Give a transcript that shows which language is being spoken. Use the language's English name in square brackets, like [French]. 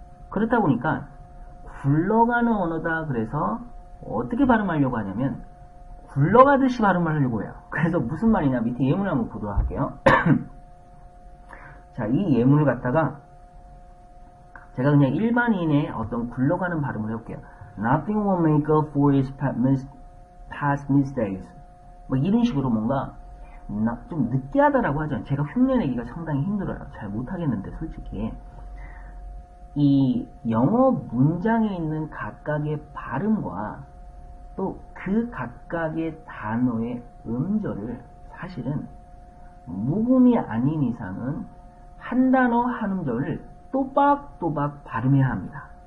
[Korean] 그렇다 보니까, 굴러가는 언어다 그래서 어떻게 발음하려고 하냐면, 굴러가듯이 발음하려고 해요. 그래서 무슨 말이냐, 밑에 예문을 한번 보도록 할게요. 자, 이 예문을 갖다가, 제가 그냥 일반인의 어떤 굴러가는 발음을 해볼게요. [English] Nothing will make up for his past mistakes. [Korean] 뭐 이런 식으로 뭔가 좀 느끼하다라고 하죠. 제가 흉내내기가 상당히 힘들어요. 잘 못하겠는데 솔직히. 이 영어 문장에 있는 각각의 발음과 또 그 각각의 단어의 음절을 사실은 묵음이 아닌 이상은 한 단어 한 음절을 또박또박 발음해야 합니다.